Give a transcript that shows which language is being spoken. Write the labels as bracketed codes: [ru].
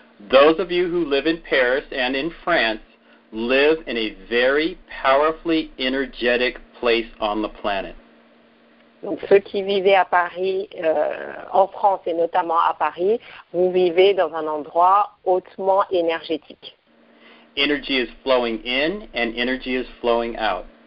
[en] Those of you who live in Paris and in France live in a very powerfully energetic place on the planet. [fr] Donc ceux qui vivaient à Paris, en France et notamment à Paris, vous vivez dans un endroit hautement énergétique. [en] Energy is flowing in and energy is flowing out.